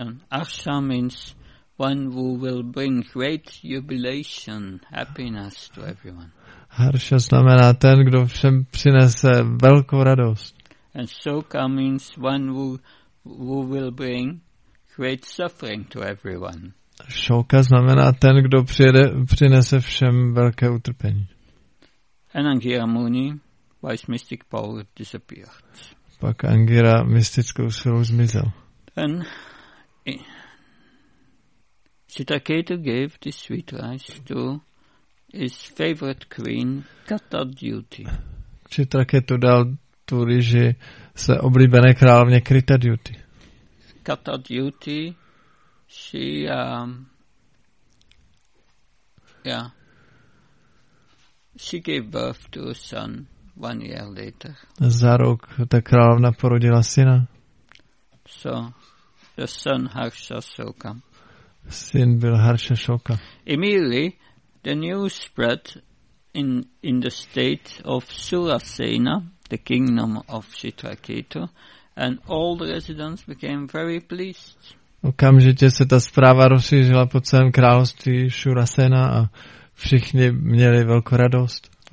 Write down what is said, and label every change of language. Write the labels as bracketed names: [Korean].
[English] Harsha means one who will bring great jubilation, happiness to everyone. [Czech] Harsha znamená ten, kdo všem přinese velkou radost. [English] And Soka means one who will bring great suffering to everyone. [Czech] Soka znamená ten, kdo přinese všem velké utrpení. [English] And Angira Muni, wise mystic power, disappeared. [Czech] Pak Angira mystickou silou zmizel. [English] And Chitraketu gave this sweet rice to his favorite queen, Katadyuti. [Czech] Chitraketu dal tu rýži své oblíbené královně Katadyuti. [English] Katadyuti, she, she gave birth to a son 1 year later. [Czech] Za rok ta královna porodila syna. [English] So, the son Harshashoka. [Czech] Syn byl Harshashoka. [English] Immediately, the news spread in the state of Surasena, the kingdom of Chitraketu, and all the residents became very pleased. [Czech] Okamžitě se ta zpráva rozšířila po celém království Surasena a všichni měli velkou radost.